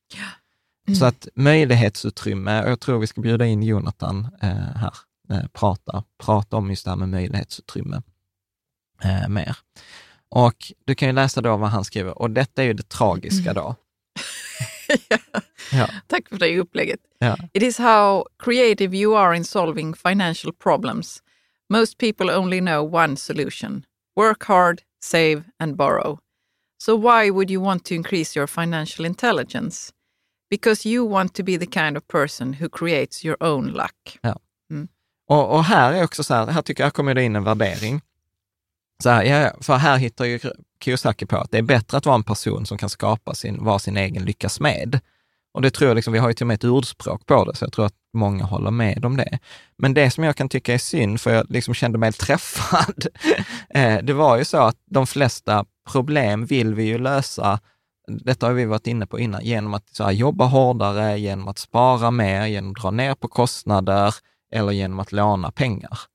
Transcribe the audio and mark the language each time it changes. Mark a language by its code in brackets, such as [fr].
[sv] Ja. Så att möjlighetsutrymme, och jag tror vi ska bjuda in Jonathan här, prata om just det här med möjlighetsutrymme mer. Och du kan ju läsa då vad han skriver, och detta är ju det tragiska då. Ja. Tack för det upplägget. [en] Yeah. It is how creative you are in solving financial problems. Most people only know one solution. Work hard, save and borrow. So why would you want to increase your financial intelligence? Because you want to be the kind of person who creates your own luck. [sv] Ja. Mm. Och här är också så här, här tycker jag kommer det in en värdering. Så här, ja, för här hittar ju Kiyosaki på att det är bättre att vara en person som kan skapa sin, vara sin egen lyckas med. Och det tror jag liksom, vi har ju till och med ett ordspråk på det, så jag tror att många håller med om det. Men det som jag kan tycka är synd, för jag liksom kände mig träffad, det var ju så att de flesta problem vill vi ju lösa, detta har vi varit inne på innan, genom att så här, jobba hårdare, genom att spara mer, genom att dra ner på kostnader eller genom att låna pengar.